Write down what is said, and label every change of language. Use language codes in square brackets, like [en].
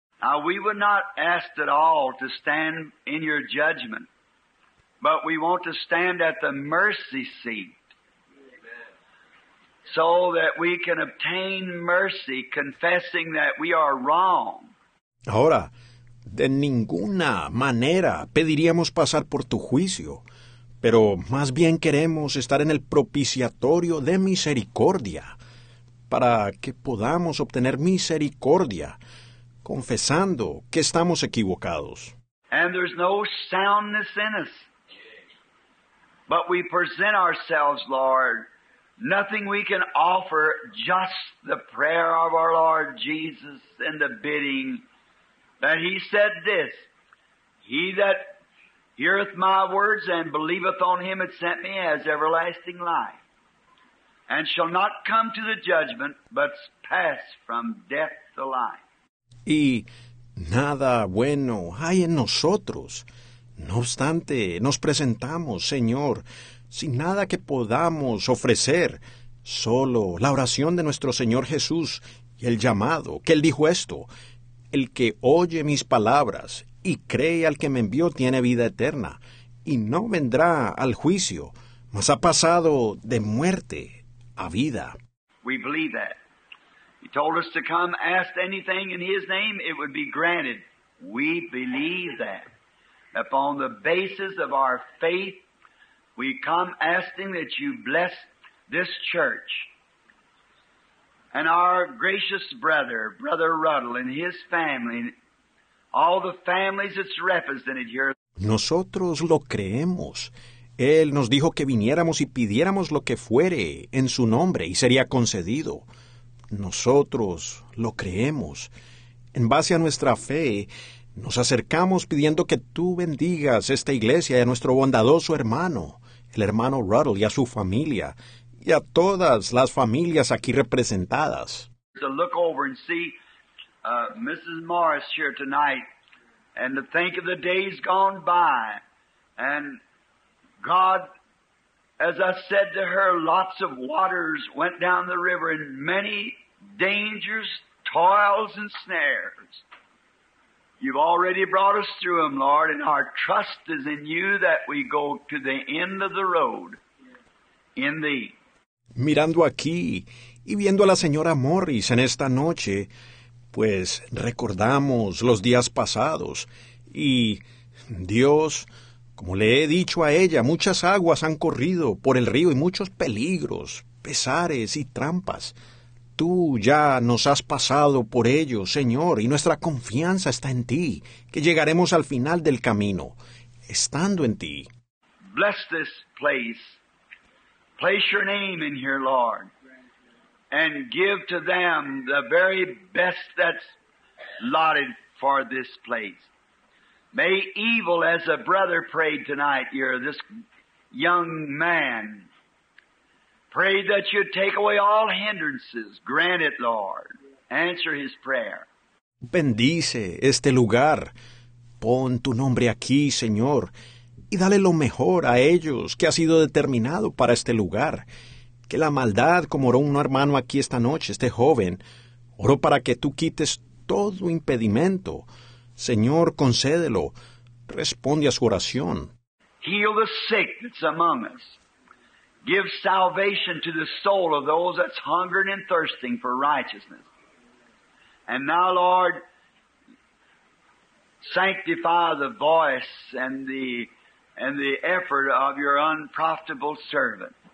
[en] Now, we would not ask at all to stand in your judgment, but we want to stand at the mercy seat. So that we can obtain mercy, confessing that we are wrong. [es] Ahora, de ninguna manera pediríamos pasar por tu juicio, pero más bien queremos estar en el propiciatorio de misericordia, para que podamos obtener misericordia, confesando que estamos equivocados. [en] And there's no soundness in us, but we present ourselves, Lord. Nothing we can offer, just the prayer of our Lord Jesus and the bidding that he said this, he that heareth my words and believeth on him that sent me has everlasting life, and shall not come to the judgment, but pass from death to life. [es] Y nada bueno hay en nosotros. No obstante, nos presentamos, Señor, sin nada que podamos ofrecer, solo la oración de nuestro Señor Jesús y el llamado, que Él dijo esto, el que oye mis palabras y cree al que me envió tiene vida eterna, y no vendrá al juicio, mas ha pasado de muerte a vida. [en] We believe that. He told us to come, ask anything in his name, it would be granted. We believe that. Upon the basis of our faith, we come asking that you bless this church and our gracious brother, Brother Ruddle, and his family, all the families that's represented here. [es] Nosotros lo creemos. Él nos dijo que viniéramos y pidiéramos lo que fuere en su nombre y sería concedido. Nosotros lo creemos. En base a nuestra fe, nos acercamos pidiendo que tú bendigas esta iglesia y a nuestro bondadoso hermano, el hermano Ruddle, y a su familia, y a todas las familias aquí representadas. [en] To look over and see Mrs. Morris here tonight, and to think of the days gone by, and God, as I said to her, lots of waters went down the river, and many dangers, toils, and snares. You've already brought us through them, Lord, and our trust is in you that we go to the end of the road in thee. [es] Mirando aquí y viendo a la señora Morris en esta noche, pues recordamos los días pasados y Dios, como le he dicho a ella, muchas aguas han corrido por el río y muchos peligros, pesares y trampas. Tú ya nos has pasado por ello, Señor, y nuestra confianza está en ti, que llegaremos al final del camino, estando en ti. [en] Bless this place. Place your name in here, Lord, and give to them the very best that's lotted for this place. May evil, as a brother prayed tonight, you're this young man. Pray that you take away all hindrances. Grant it, Lord. Answer his prayer. [es] Bendice este lugar. Pon tu nombre aquí, Señor, y dale lo mejor a ellos que ha sido determinado para este lugar. Que la maldad, como oró un hermano aquí esta noche, este joven, oro para que tú quites todo impedimento. Señor, concédelo. Responde a su oración. [en] Heal the sick that's among us. Give salvation to the soul of those that's hungering and thirsting for righteousness. And now, Lord, sanctify the voice and the effort of your unprofitable servant.